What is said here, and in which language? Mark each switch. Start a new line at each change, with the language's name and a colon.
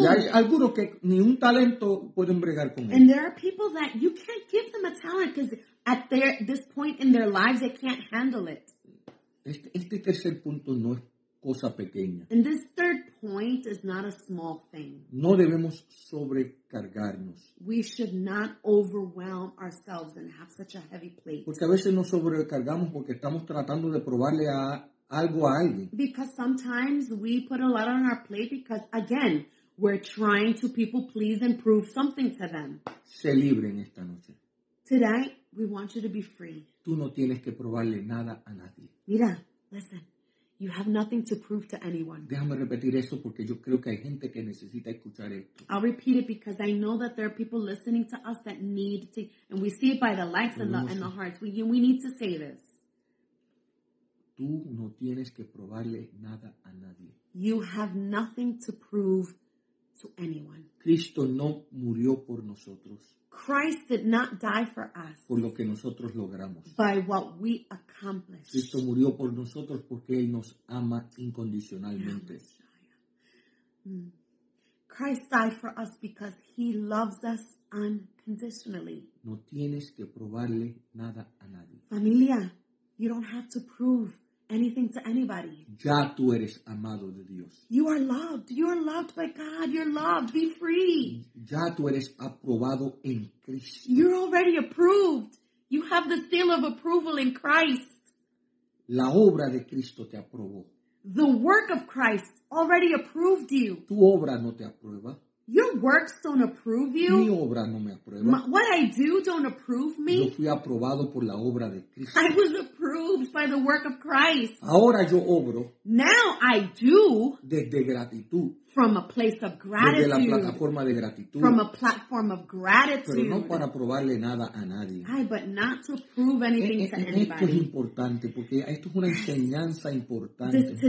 Spanish: Y hay algunos que ni un talento pueden bregar con él.
English: And there are people that you can't give them a talent because at their, this point in their lives they can't handle it.
Spanish: Este tercer punto no es cosa pequeña.
English: And this third point is not a small thing.
Spanish: No debemos sobrecargarnos.
English: We should not overwhelm ourselves and have such a heavy plate.
Spanish: Porque a veces nos sobrecargamos porque estamos tratando de probarle a algo a alguien.
English: Because sometimes we put a lot on our plate because, again, we're trying to people please and prove something to them.
Spanish: Se libren esta noche.
English: Today, we want you to be free.
Spanish: Tú no tienes que probarle nada a nadie. Mira,
English: listen. You have nothing to prove to anyone.
Spanish: Déjame repetir eso porque yo creo que hay gente que necesita escuchar esto.
English: I'll repeat it because I know that there are people listening to us that need to, and we see it by the likes and the hearts. We need to say this.
Spanish: Tú no tienes que probarle nada a nadie.
English: You have nothing to prove to anyone.
Spanish: Cristo no murió por nosotros.
English: Christ did not die for us.
Spanish: Por lo que nosotros logramos.
English: By what we accomplished.
Spanish: Cristo murió por nosotros porque Él nos ama incondicionalmente.
English: Christ died for us because He loves us unconditionally.
Spanish: No tienes que probarle nada a nadie.
English: Familia, you don't have to prove anything to anybody.
Spanish: Ya tú eres amado de Dios.
English: You are loved. You are loved by God. You're loved. Be free.
Spanish: Ya tú eres aprobado en Cristo.
English: You're already approved. You have the seal of approval in Christ.
Spanish: La obra de Cristo te aprobó.
English: The work of Christ already approved you.
Spanish: Tu obra no te aprueba.
English: Your works don't approve you.
Spanish: Mi obra no me aprueba.
English: What I do don't approve me.
Spanish: Yo fui aprobado por la obra de Cristo.
English: I was approved by the work of Christ.
Spanish: Ahora yo obro.
English: Now I do.
Spanish: Desde gratitud.
English: From a place of gratitude.
Spanish: Desde la plataforma de gratitud.
English: From a platform of gratitude.
Spanish: Pero no para probarle nada a nadie.
English: Ay, but not to prove anything to anybody.
Spanish: Esto es importante porque esto es una enseñanza importante.